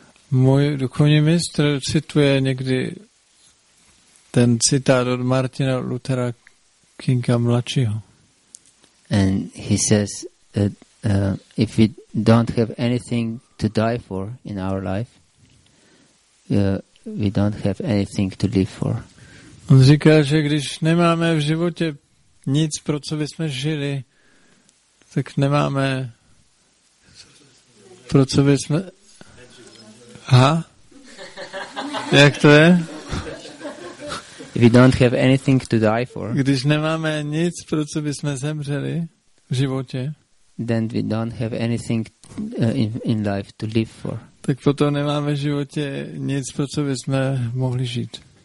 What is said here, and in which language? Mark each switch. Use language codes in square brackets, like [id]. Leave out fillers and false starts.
[cs] Můj duchovní mistr cituje někdy ten citát od Martina Luthera Kinga mladšího. [en] And he says that if we don't have anything to die for in our life, we don't have anything to live for. [cs] On říká, že když nemáme v životě nic, pro co bychom žili, tak nemáme pro co bychom... Aha. Jak to je? [en] If we don't have anything to die for. [cs] Když nemáme nic, pro co bychom zemřeli v životě, [en] then we don't have anything in life to live for. [cs] Tak potom nemáme v životě nic, pro co bychom mohli žít.